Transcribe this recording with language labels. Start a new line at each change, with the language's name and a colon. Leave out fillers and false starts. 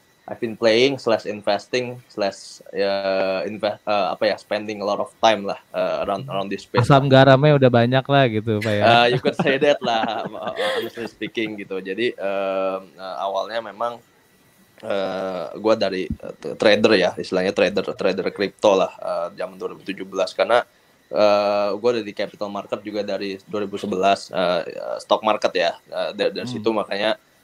English: I've been playing / investing / spending a lot of time lah around this space.
Indonesian: Asam garamnya udah banyak lah gitu Pak ya.
English: You could say that lah, honestly speaking gitu.
Indonesian: Jadi awalnya memang gue dari trader ya, istilahnya trader crypto lah zaman 2017 karena gue dari capital market juga dari 2011 stock market ya dari situ makanya